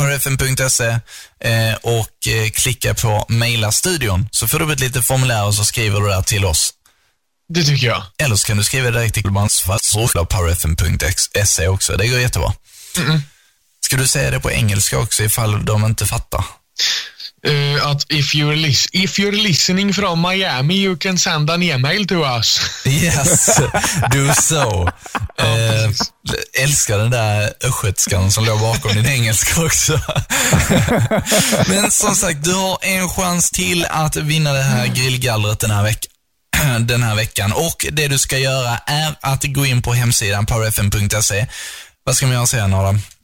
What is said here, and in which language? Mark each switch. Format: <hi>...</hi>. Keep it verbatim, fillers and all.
<sv>power f m punkt s e och klicka på maila studion så får du ett litet formulär och så skriver du det till oss. Det tycker jag. Eller så kan du skriva direkt till power f m punkt s e också, det går jättebra. Mm. Ska du säga det på engelska också ifall de inte fattar?</sv> <en>Uh, att if you're, lis- if you're listening from Miami you can send an email to us. Yes, do so.</en> <sv>uh, älskar den där östgötskan som låg bakom din engelska också. Men som sagt, du har en chans till att vinna det här grillgallret den här veckan. Den här veckan. Och det du ska göra är att gå in på hemsidan power f m punkt s e. Vad ska man göra sen, Adam?</sv>